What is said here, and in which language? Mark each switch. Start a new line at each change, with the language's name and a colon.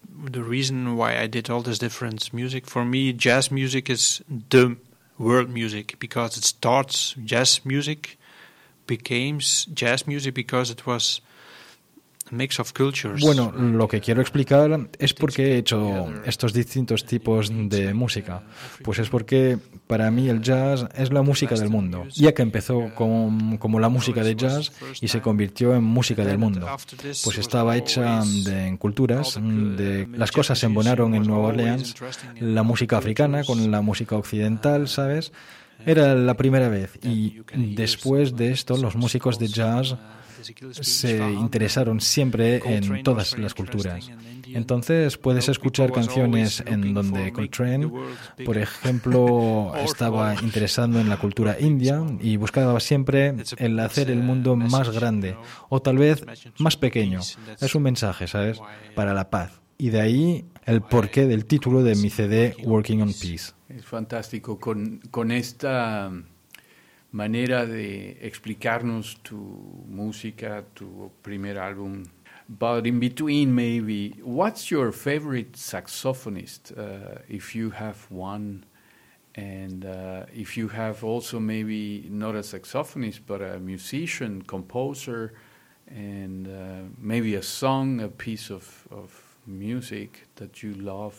English: The reason why I did all this different music, for me, jazz music is the world music, because it starts, jazz music became jazz music because it was mix of cultures.
Spanish: Bueno, lo que quiero explicar es por qué he hecho estos distintos tipos de música. Pues es porque para mí el jazz es la música del mundo, ya que empezó como la música de jazz y se convirtió en música del mundo. Pues estaba hecha en culturas, las cosas se embonaron en Nueva Orleans, la música africana con la música occidental, ¿sabes? Era la primera vez. Y después de esto, los músicos de jazz se interesaron siempre en todas las culturas. Entonces, puedes escuchar canciones en donde Coltrane, por ejemplo, estaba interesado en la cultura india y buscaba siempre el hacer el mundo más grande o tal vez más pequeño. Es un mensaje, ¿sabes? Para la paz. Y de ahí el porqué del título de mi CD, Working on Peace. Es fantástico. Con esta manera de explicarnos tu música, tu primer álbum.
English: But in between, maybe, what's your favorite saxophonist, if you have one? And if you have also maybe not a saxophonist, but a musician, composer, and maybe a song, a piece of music that you love.